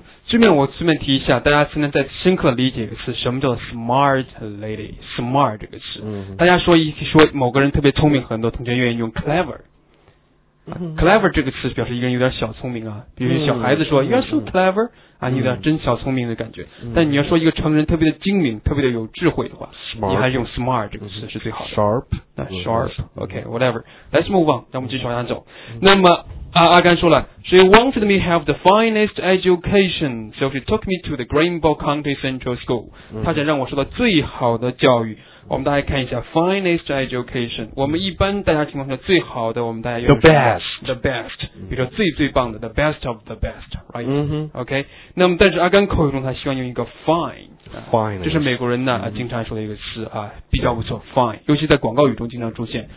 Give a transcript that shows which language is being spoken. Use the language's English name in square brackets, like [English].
[Chinese] 这边我顺便提一下，大家现在在深刻理解一个词，什么叫 smart lady？smart 这个词，大家说某个人特别聪明，很多同学愿意用 clever。 clever 这个词表示一个人有点小聪明比如小孩子说 [English] You're so clever [Chinese] 你有点真小聪明的感觉。但你要说一个成人特别的精明，特别的有智慧的话， [English] smart， [Chinese] 你还是用 smart 这个词是最好的。 [English] sharp， sharp， OK， whatever， let's move on， [Chinese] 让我们继续往下走。那么阿甘说了 [English] She wanted me to have the finest education So she took me to the Greenville County Central School [Chinese] 她想让我受到最好的教育我们大家看一下 Finest education 我们一般大家情况下最好的我们大家用 [English] The best The best [Chinese] 比如说最最棒的 [English] The best of the best Right、 mm-hmm. [Chinese] OK 那么但是阿甘口语中他希望用一个 fine [English] fine， [Chinese] 这是美国人呢、经常说的一个词啊，比较不错 ，fine， 尤其在广告语中经常出现。